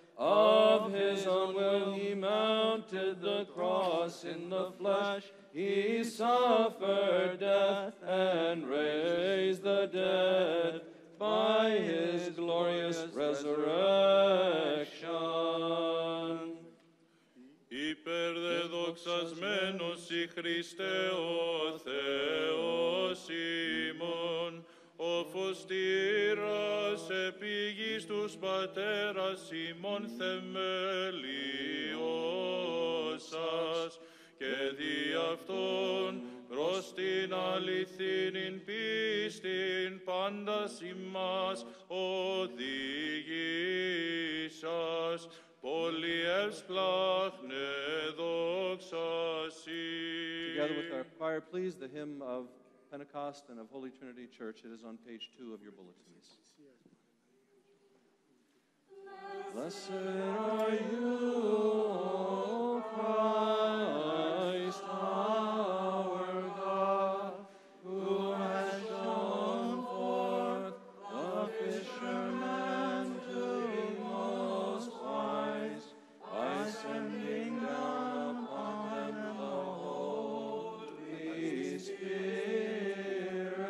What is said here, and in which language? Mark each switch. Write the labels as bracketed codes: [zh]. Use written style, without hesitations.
[en] Of his own will he mounted the cross in the flesh. He suffered death and raised the dead by his glorious resurrection. [el] Υπερδεδοξασμένος η Χριστέ ο Θεός ημών. Ο φωστήρας επί γης τους πατέρας ημών θεμελιώσας και δι' αυτόν προς την αληθινήν πίστην πάντας ημάς οδηγήσας πολύ ευσπλάχνε δόξασι. [en] Together with our choir, please, the hymn of Pentecost and of Holy Trinity Church. It is on page 2 of your bulletins. Blessed are you, O Christ, our God, who has shown forth the fishermen to be most wise by sending them upon them the Holy Spirit.